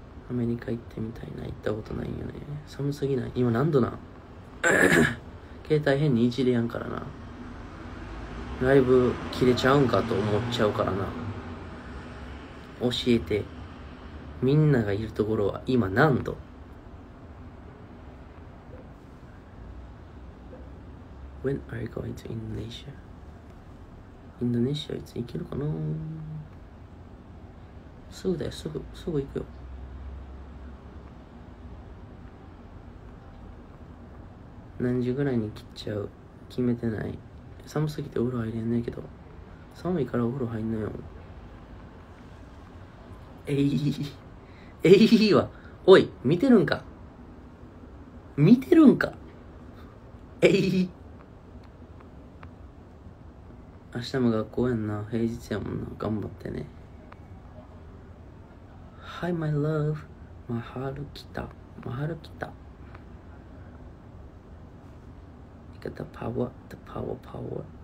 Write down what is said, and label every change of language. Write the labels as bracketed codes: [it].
[ja] アメリカ行ってみたいな。行ったことないよね。寒すぎない？今何度な？携帯変にいじりやんからな。ライブ切れちゃうんかと思っちゃうからな。教えて。みんながいるところは今何度？ [en] When are you going to Indonesia? [ja] インドネシアいつ行けるかな？すぐだよ、すぐ行くよ。何時ぐらいに切っちゃう、決めてない、寒すぎてお風呂入れんねんけど、寒いからお風呂入んなよ、えいえいいわ、おい見てるんか、見てるんか、えい、明日も学校やんな、平日やもんな、頑張ってね。 [en] Hi my love、 [ja] マハル来た、マハル来た、 [en] The power, the power, power.